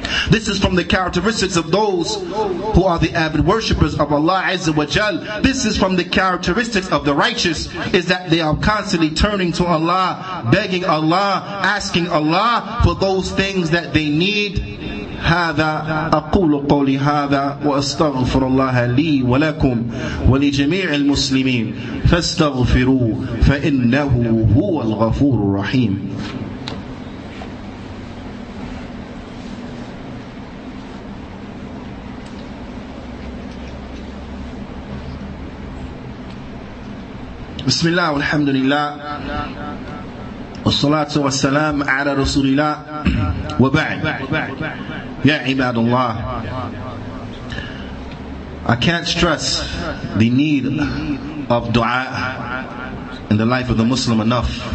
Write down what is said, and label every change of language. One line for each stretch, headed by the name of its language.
English: This is from the characteristics of those who are the avid worshippers of Allah Azza wa Jal. This is from the characteristics of the righteous, is that they are constantly turning to Allah, begging Allah, asking Allah for those things that they need.
Arabic: هذا أقول قولي هذا وأستغفر الله لي ولكم ولجميع المسلمين فاستغفروه فإنه هو الغفور الرحيم. بسم الله والحمد لله والصلاة والسلام على رسول الله وبعد.
English: Ya ibadullah, I can't stress the need of dua in the life of the Muslim enough.